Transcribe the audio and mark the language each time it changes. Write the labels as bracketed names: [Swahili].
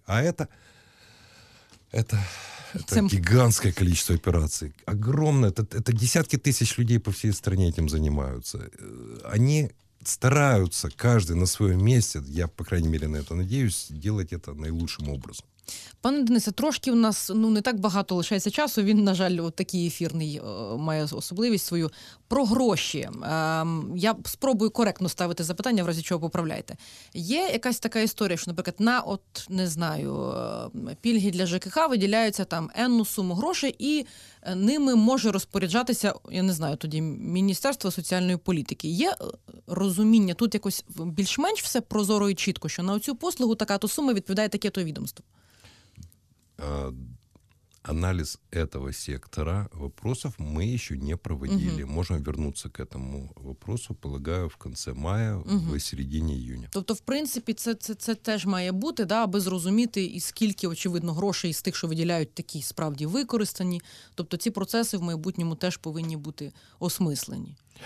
[Russian] А это гигантское количество операций. Огромное. Это десятки тысяч людей по всей стране этим занимаются. Они стараются каждый на своем месте, я, по крайней мере, на это надеюсь, делать это наилучшим образом. [Ukrainian] Пане Денисе, трошки у нас не так багато лишається часу. Він, на жаль, от такий ефірний має особливість свою. Про гроші. Я спробую коректно ставити запитання, в разі чого поправляєте. Є якась така історія, що, наприклад, на от, не знаю, пільги для ЖКХ виділяються там енну суму грошей, і ними може розпоряджатися, я не знаю, тоді Міністерство соціальної політики. Є розуміння тут якось більш-менш все прозоро і чітко, що на цю послугу така-то сума відповідає таке-то відомство? [Russian] Анализ этого сектора вопросов мы еще не проводили. Угу. Можем вернуться к этому вопросу, полагаю, в конце мая, угу, в середине июня. [Ukrainian] Тобто, в принципі, це теж має бути, да, аби зрозуміти, і скільки, очевидно, грошей із тих, що виділяють, такі справді використані. Тобто, ці процеси в майбутньому теж повинні бути осмислені.